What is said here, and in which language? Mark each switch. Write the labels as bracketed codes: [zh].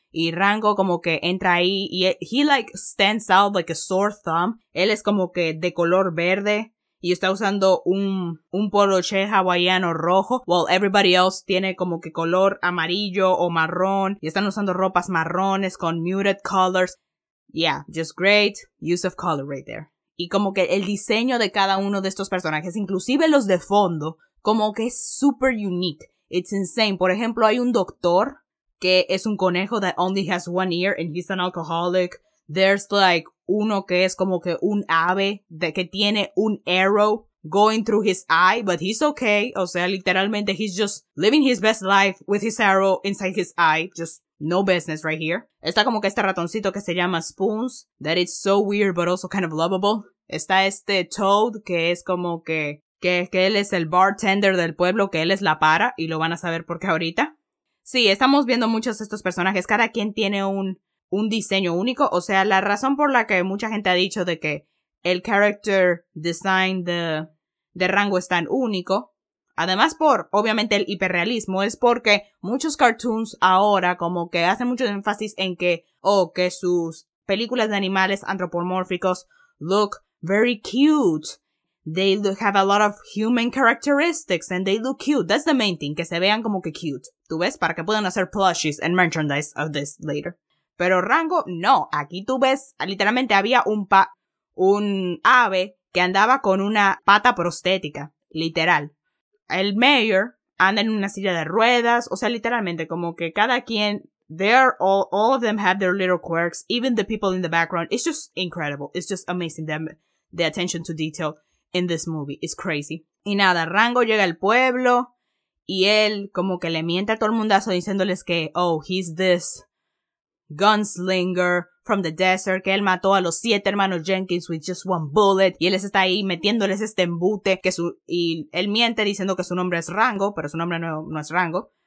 [es] Y Rango como que entra ahí y [en] he like stands out like a sore thumb. [es] Él es como que de color verde y está usando un poloche hawaiano rojo. [en] While everybody else [es] tiene como que color amarillo o marrón. Y están usando ropas marrones con [en] muted colors. Yeah, just great use of color right there. [es] Y como que el diseño de cada uno de estos personajes, inclusive los de fondo, como que es [en] super unique. It's insane. [es] Por ejemplo, hay un doctor que es un conejo [en] that only has one ear and he's an alcoholic. There's like [es] uno que es como que un ave que tiene un [en] arrow going through his eye, but he's okay. [es] O sea, literalmente [en] he's just living his best life with his arrow inside his eye. Just no business right here. [es] Está como que este ratoncito que se llama Spoons, [en] that is so weird but also kind of lovable. [es] Está este Toad que es como que él es el bartender del pueblo, que él es la para y lo van a saber por qué ahorita. Sí, estamos viendo muchos de estos personajes. Cada quien tiene un diseño único. O sea, la razón por la que mucha gente ha dicho de que el [en] character design [es] de Rango es tan único, además por, obviamente, el hiperrealismo, es porque muchos cartoons ahora como que hacen mucho énfasis en que sus películas de animales antropomórficos [en] look very cute. They have a lot of human characteristics and they look cute. That's the main thing, [es] que se vean como que [en] cute. [es] ¿Tú ves? Para que puedan hacer [en] plushies and merchandise of this later. [es] Pero Rango, no. Aquí tú ves, literalmente había un ave que andaba con una pata prostética. Literal. El mayor anda en una silla de ruedas. O sea, literalmente, como que cada quien... [en] All of them have their little quirks. Even the people in the background. It's just incredible. It's just amazing, the attention to detail in this movie. It's crazy. [es] Y nada, Rango llega al pueblo... Y él como que le miente a todo el mundazo diciéndoles que, oh, [en] he's this gunslinger from the desert, [es] que él mató a los 7 hermanos Jenkins [en] with just one bullet. [es] Y él está ahí metiéndoles este embute y él miente diciendo que su nombre es Rango, pero su nombre no es Rango.